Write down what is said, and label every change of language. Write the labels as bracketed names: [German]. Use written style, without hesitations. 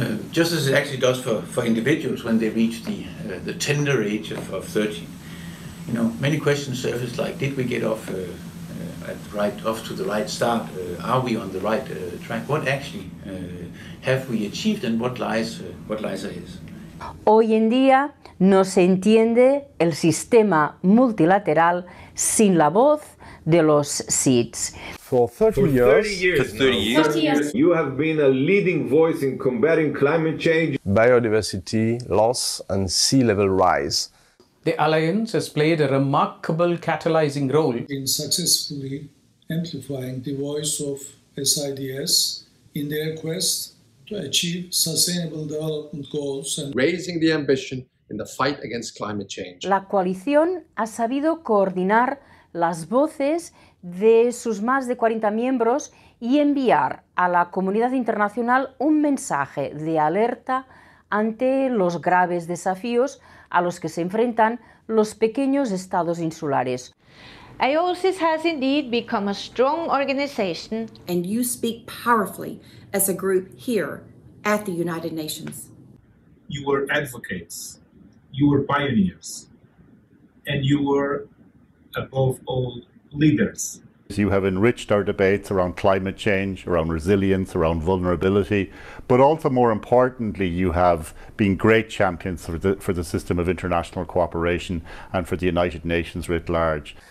[English] just as it actually does for individuals when they reach the tender age of 30. You know, many questions surface like, did we get off to the right start? Are we on the right track? What actually have we achieved, and what lies ahead? [Spanish] Hoy en día no se entiende el sistema multilateral sin la voz de los SIDS. [English] For 30 years, you have been a leading voice in combating climate change, biodiversity loss, and sea level rise. The Alliance has played a remarkable catalyzing role in successfully amplifying the voice of SIDS in their quest to achieve sustainable development goals and raising the ambition in the fight against climate change. [Spanish] La coalición ha sabido coordinar las voces de sus más de 40 miembros y enviar a la comunidad internacional un mensaje de alerta ante los graves desafíos a los que se enfrentan los pequeños estados insulares. [English] AOSIS has indeed become a strong organization, and you speak powerfully as a group here at the United Nations. You were advocates, you were pioneers, and you were above all leaders. You have enriched our debates around climate change, around resilience, around vulnerability, but also more importantly, you have been great champions for the system of international cooperation and for the United Nations writ large.